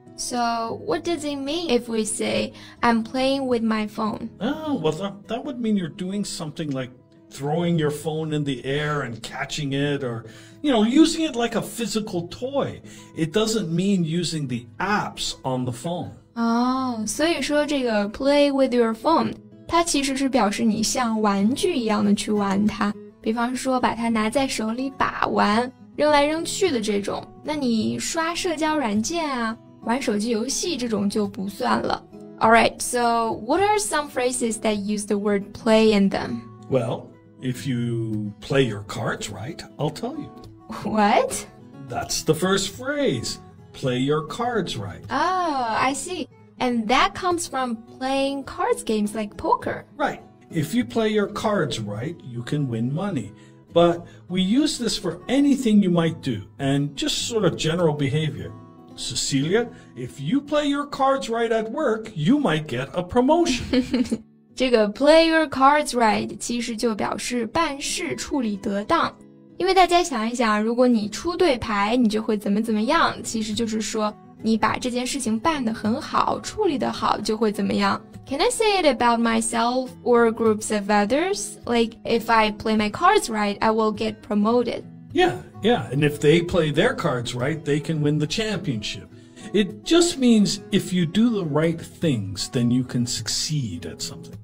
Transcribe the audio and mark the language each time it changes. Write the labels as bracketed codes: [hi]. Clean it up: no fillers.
[en] So, what does it mean if we say, I'm playing with my phone? Oh, well, that would mean you're doing something like throwing your phone in the air and catching it, or, you know, using it like a physical toy. It doesn't mean using the apps on the phone. Oh, [zh] 所以说这个 [en] play with your phone. [zh] 它其实是表示你像玩具一样的去玩它，比方说把它拿在手里把玩，扔来扔去的这种。那你刷社交软件啊，玩手机游戏这种就不算了。 [en] All right, so what are some phrases that use the word play in them? Well, if you play your cards right, I'll tell you. What? That's the first phrase, play your cards right. Oh, I see. And that comes from playing cards games like poker. Right. If you play your cards right, you can win money. But we use this for anything you might do, and just sort of general behavior. Cecilia, if you play your cards right at work, you might get a promotion. [zh] 这个 [en] play your cards right [zh] 其实就表示办事处理得当。因为大家想一想，如果你出对牌，你就会怎么怎么样，其实就是说你把这件事情办得很好，处理得好就会怎么样。 [en] Can I say it about myself or groups of others? Like, if I play my cards right, I will get promoted. Yeah, yeah. And if they play their cards right, they can win the championship. It just means if you do the right things, then you can succeed at something.